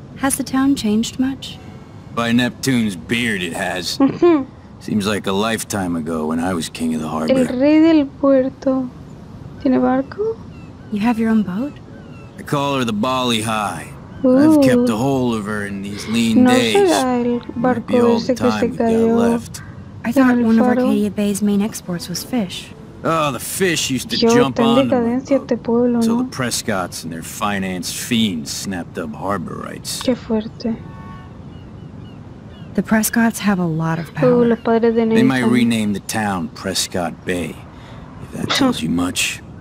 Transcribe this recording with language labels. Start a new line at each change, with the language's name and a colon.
English: Has the town changed much? By Neptune's beard it has. Seems like a lifetime ago when I was king of the harbor.
Spanish: El rey del puerto. ¿Tiene barco?
English: You have your own boat? I call her the Bali High. I've kept a hold of her in these lean days.
Spanish: No será el barco ese que se cayó.
English: I thought one of Arcadia Bay's main exports was fish. Oh, the fish used to jump on them. So the Prescotts and their finance fiends snapped up harbor rights.
Spanish: Qué fuerte.
English: The Prescotts have a lot of power.
Spanish: Los padres de
English: they might rename the town Prescott Bay, if that tells you much.